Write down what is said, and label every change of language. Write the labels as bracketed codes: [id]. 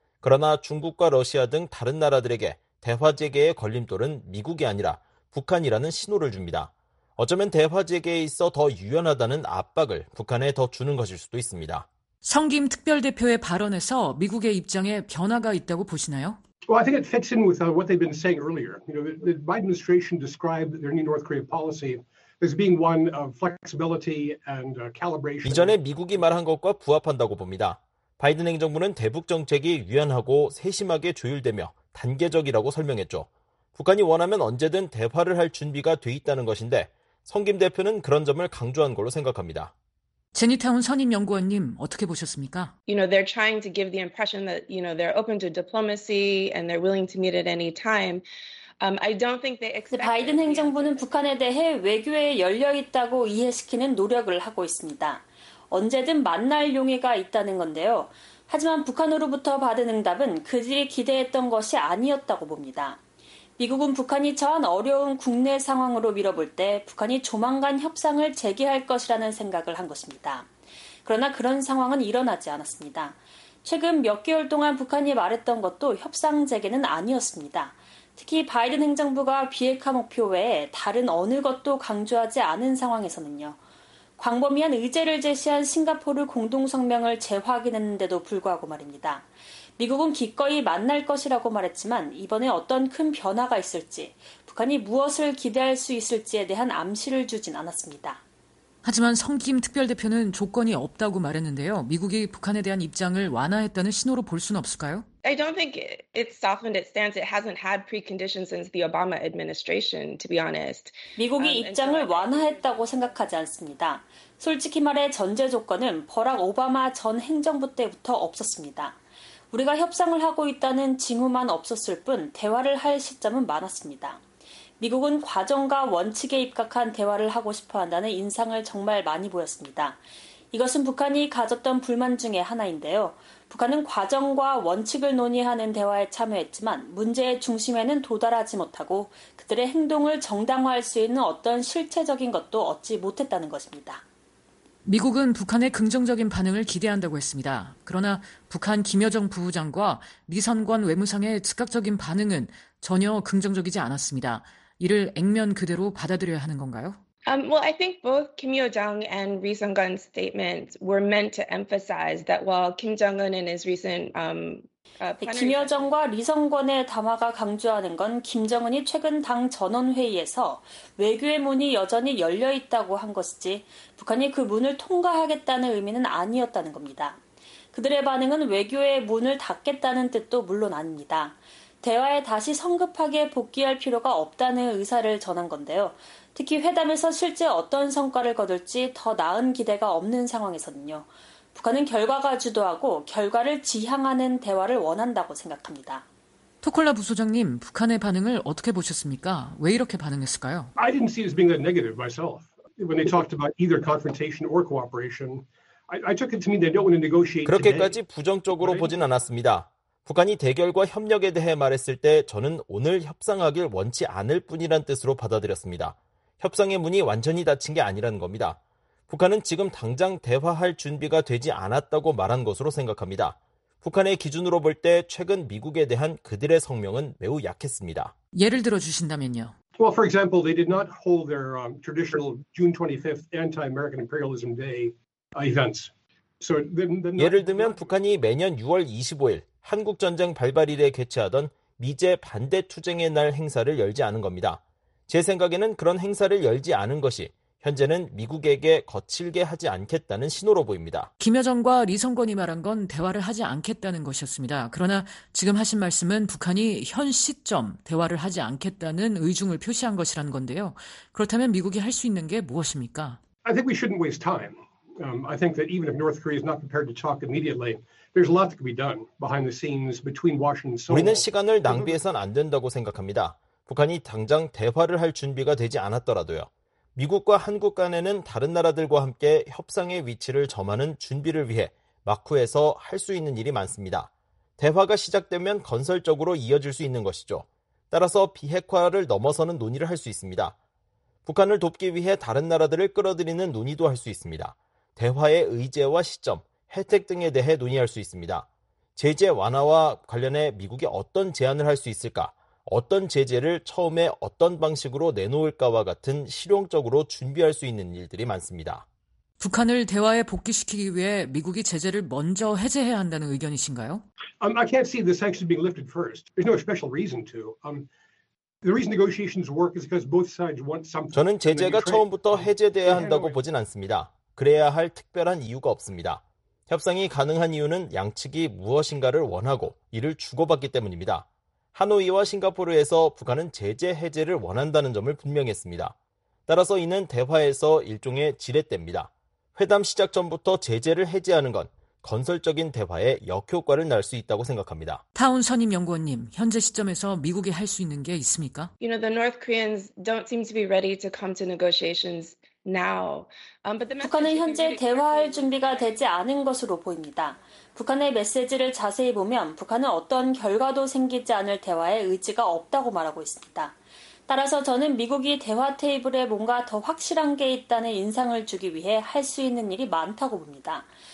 [ko] 그러나 중국과 러시아 등 다른 나라들에게 대화 재개의 걸림돌은 미국이 아니라 북한이라는 신호를 줍니다. 어쩌면 대화 재개에 있어 더 유연하다는 압박을 북한에 더 주는 것일 수도 있습니다. 성김 특별대표의 발언에서 미국의 입장에 변화가 있다고 보시나요? [en] Well, I think it fits in with what they've been saying earlier. You know, the Biden administration described their new North Korea policy as being one of flexibility and calibration. [ko] 이전에 미국이 말한 것과 부합한다고 봅니다. 바이든 행정부는 대북 정책이 유연하고 세심하게 조율되며 단계적이라고 설명했죠. 북한이 원하면 언제든 대화를 할 준비가 돼 있다는 것인데, 성김 대표는 그런 점을 강조한 걸로 생각합니다. 제니타운 선임 연구원님, 어떻게 보셨습니까? [en] You know, they're trying to give the impression that, you know, they're open to diplomacy and they're willing to meet at any time. I don't think they expect [ko] 바이든 행정부는 북한에 대해 외교에 열려 있다고 이해시키는 노력을 하고 있습니다. 언제든 만날 용의가 있다는 건데요. 하지만 북한으로부터 받은 응답은 그들이 기대했던 것이 아니었다고 봅니다. 미국은 북한이 처한 어려운 국내 상황으로 밀어볼 때 북한이 조만간 협상을 재개할 것이라는 생각을 한 것입니다. 그러나 그런 상황은 일어나지 않았습니다. 최근 몇 개월 동안 북한이 말했던 것도 협상 재개는 아니었습니다. 특히 바이든 행정부가 비핵화 목표 외에 다른 어느 것도 강조하지 않은 상황에서는요. 광범위한 의제를 제시한 싱가포르 공동성명을 재확인했는데도 불구하고 말입니다. 미국은 기꺼이 만날 것이라고 말했지만 이번에 어떤 큰 변화가 있을지, 북한이 무엇을 기대할 수 있을지에 대한 암시를 주진 않았습니다. 하지만 성김 특별대표는 조건이 없다고 말했는데요. 미국이 북한에 대한 입장을 완화했다는 신호로 볼 수는 없을까요? [en] I don't think it softened its stance. It hasn't had preconditions since the Obama administration, to be honest. [ko] 미국이 입장을 완화했다고 생각하지 않습니다. 솔직히 말해 전제 조건은 버락 오바마 전 행정부 때부터 없었습니다. 우리가 협상을 하고 있다는 징후만 없었을 뿐 대화를 할 시점은 많았습니다. 미국은 과정과 원칙에 입각한 대화를 하고 싶어 한다는 인상을 정말 많이 보였습니다. 이것은 북한이 가졌던 불만 중에 하나인데요. 북한은 과정과 원칙을 논의하는 대화에 참여했지만 문제의 중심에는 도달하지 못하고 그들의 행동을 정당화할 수 있는 어떤 실체적인 것도 얻지 못했다는 것입니다. 미국은 북한의 긍정적인 반응을 기대한다고 했습니다. 그러나 북한 김여정 부부장과 미선관 외무상의 즉각적인 반응은 전혀 긍정적이지 않았습니다. 이를 액면 그대로 받아들여야 하는 건가요? [en] Well, I think both Kim Yo-jong and Ri Sung-gun's statements were meant to emphasize that while Kim Jong-un and his recent [ko] 김여정과 리성권의 담화가 강조하는 건 김정은이 최근 당 전원회의에서 외교의 문이 여전히 열려있다고 한 것이지 북한이 그 문을 통과하겠다는 의미는 아니었다는 겁니다. 그들의 반응은 외교의 문을 닫겠다는 뜻도 물론 아닙니다. 대화에 다시 성급하게 복귀할 필요가 없다는 의사를 전한 건데요. 특히 회담에서 실제 어떤 성과를 거둘지 더 나은 기대가 없는 상황에서는요. 북한은 결과가 주도하고 결과를 지향하는 대화를 원한다고 생각합니다. 토콜라 부소장님, 북한의 반응을 어떻게 보셨습니까? 왜 이렇게 반응했을까요? [en] I didn't see it as being that negative myself. When they talked about either confrontation or cooperation, I took it to mean they don't want to negotiate. [ko] 그렇게까지 부정적으로 보진 않았습니다. 북한이 대결과 협력에 대해 말했을 때 저는 오늘 협상하길 원치 않을 뿐이란 뜻으로 받아들였습니다. 협상의 문이 완전히 닫힌 게 아니라는 겁니다. 북한은 지금 당장 대화할 준비가 되지 않았다고 말한 것으로 생각합니다. 북한의 기준으로 볼 때 최근 미국에 대한 그들의 성명은 매우 약했습니다. 예를 들어 주신다면요. [en] Well, for example, they did not hold their traditional June 25th Anti-American Imperialism Day events. So then [ko] 예를 들면 북한이 매년 6월 25일 한국전쟁 발발일에 개최하던 미제 반대 투쟁의 날 행사를 열지 않은 겁니다. 제 생각에는 그런 행사를 열지 않은 것이 현재는 미국에게 거칠게 하지 않겠다는 신호로 보입니다. 김여정과 리성권이 말한 건 대화를 하지 않겠다는 것이었습니다. 그러나 지금 하신 말씀은 북한이 현 시점 대화를 하지 않겠다는 의중을 표시한 것이라는 건데요. 그렇다면 미국이 할 수 있는 게 무엇입니까? [en] I think we shouldn't waste time. I think that even if North Korea is not prepared to talk immediately, there's a lot that can be done behind the scenes between Washington and Seoul. [ko] 우리는 시간을 낭비해서는 안 된다고 생각합니다. 북한이 당장 대화를 할 준비가 되지 않았더라도요. 미국과 한국 간에는 다른 나라들과 함께 협상의 위치를 점하는 준비를 위해 막후에서 할 수 있는 일이 많습니다. 대화가 시작되면 건설적으로 이어질 수 있는 것이죠. 따라서 비핵화를 넘어서는 논의를 할 수 있습니다. 북한을 돕기 위해 다른 나라들을 끌어들이는 논의도 할 수 있습니다. 대화의 의제와 시점, 혜택 등에 대해 논의할 수 있습니다. 제재 완화와 관련해 미국이 어떤 제안을 할 수 있을까? 어떤 제재를 처음에 어떤 방식으로 내놓을까와 같은 실용적으로 준비할 수 있는 일들이 많습니다. 북한을 대화에 복귀시키기 위해 미국이 제재를 먼저 해제해야 한다는 의견이신가요? [en] I can't see the sanctions being lifted first. There's no special reason to. The reason negotiations work is because both sides want something. [ko] 저는 제재가 처음부터 해제돼야 한다고 보진 않습니다. 그래야 할 특별한 이유가 없습니다. 협상이 가능한 이유는 양측이 무엇인가를 원하고 이를 주고받기 때문입니다. 하노이와 싱가포르에서 북한은 제재 해제를 원한다는 점을 분명했습니다. 따라서 이는 대화에서 일종의 지렛대입니다. 회담 시작 전부터 제재를 해제하는 건 건설적인 대화에 역효과를 낼 수 있다고 생각합니다. 타운 선임 연구원님, 현재 시점에서 미국이 할 수 있는 게 있습니까? [en] You know, the North Koreans don't seem to be ready to come to negotiations now. But the [ko] 북한은 현재 대화할 준비가 되지 않은 것으로 보입니다. 북한의 메시지를 자세히 보면 북한은 어떤 결과도 생기지 않을 대화에 의지가 없다고 말하고 있습니다. 따라서 저는 미국이 대화 테이블에 뭔가 더 확실한 게 있다는 인상을 주기 위해 할 수 있는 일이 많다고 봅니다.